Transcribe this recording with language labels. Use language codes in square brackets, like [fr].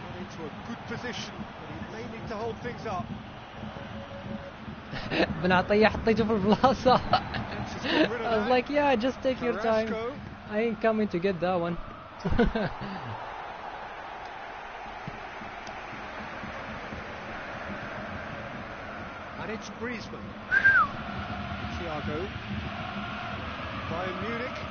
[en] Got into a good position, but he may need to hold things up. [ar] بنعطيه حطيته في البلاصة. [en] I was like yeah just take your time I ain't coming to get that one. And it's Griezmann. Thiago. Bayern Munich.